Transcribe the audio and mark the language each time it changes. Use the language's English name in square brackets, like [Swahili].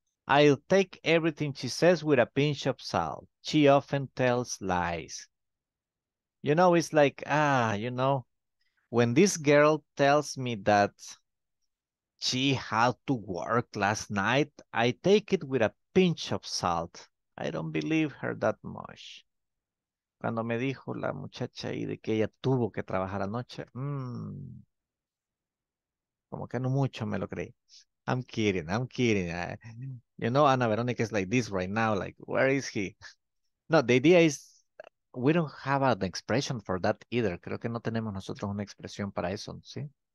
[English] I'll take everything she says with a pinch of salt. She often tells lies. You know, it's like, you know, when this girl tells me that she had to work last night, I take it with a pinch of salt. I don't believe her that much. [Spanish] Cuando me dijo la muchacha ahí de que ella tuvo que trabajar anoche, como que no mucho me lo creí. [English] I'm kidding. I'm kidding. You know, Ana Veronica is like this right now. Like, where is he? No, the idea is we don't have an expression for that either. [Spanish] Creo que no tenemos nosotros una expresión para eso, ¿sí?